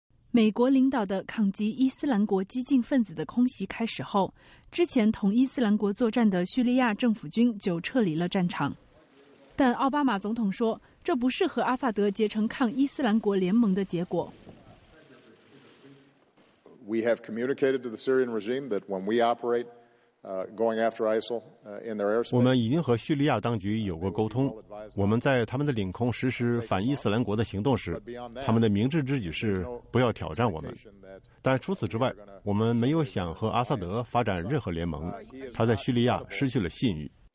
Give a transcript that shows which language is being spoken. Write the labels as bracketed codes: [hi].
[zh] 美国领导的抗击伊斯兰国激进分子的空袭开始后，之前同伊斯兰国作战的叙利亚政府军就撤离了战场。但奥巴马总统说，这不是和阿萨德结成抗伊斯兰国联盟的结果。 [en] We have communicated to the Syrian regime that when we operate, going after ISIL in their airspace. [zh] 我们已经和叙利亚当局有过沟通。我们在他们的领空实施反伊斯兰国的行动时，他们的明智之举是不要挑战我们。但除此之外，我们没有想和阿萨德发展任何联盟。他在叙利亚失去了信誉。